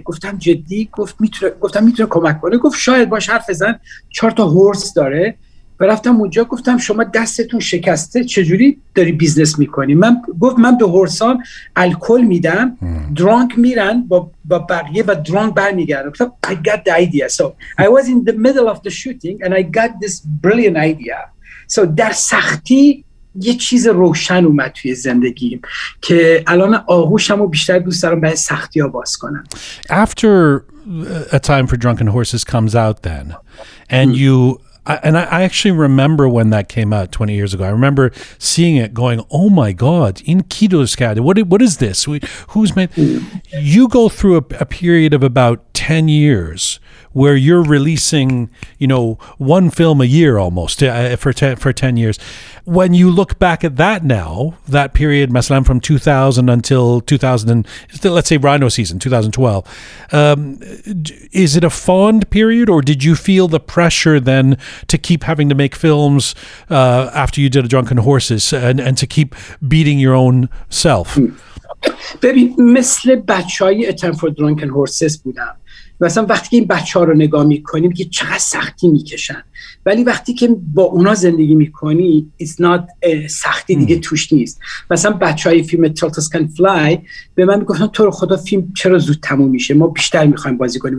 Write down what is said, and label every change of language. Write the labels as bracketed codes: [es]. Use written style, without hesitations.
[fa] گفتم جدی؟ گفت میتونه، گفتم میتونه کمک کنه؟ گفت شاید باش حرف بزن، 4 تا هورس داره. رفتم اونجا گفتم شما دستتون شکسته چجوری داری بیزنس میکنی؟ من گفت من به هورسان الکل میدم، درانک میرن با بقیه و درانک برمیگردن. گفتم [en] I got the idea. So I was in the middle of the shooting and I got this brilliant idea. [fa] So در سختی یه چیز روشن اومد توی زندگیم که الان آغوشم رو بیشتر دوست دارم برای سختی ها باز کنم. [en] After a time for Drunken Horses comes out then and you I actually remember when that came out 20 years ago. I remember seeing it going, oh my God, in Kido's Cat, what is this? Who's made? You go through a period of about 10 years where you're releasing, you know, one film a year almost for 10 years. When you look back at that now, that period, Maslam, from 2000 until 2000, and, let's say Rhino season, 2012, is it a fond period, or did you feel the pressure then to keep having to make films after you did A Drunken Horses and to keep beating your own self? [fa] ببین مثل بچهای Time for Drunken Horses بودم. مثلا وقتی که این بچه ها رو نگاه میکنی میگه چقدر سختی میکشن، ولی وقتی که با اونا زندگی میکنی [en] it's not [fa] سختی دیگه توش نیست. مثلا بچه های فیلم Turtles Can Fly به من میگفتن تو رو خدا فیلم چرا زود تموم میشه، ما بیشتر میخوایم بازی کنیم.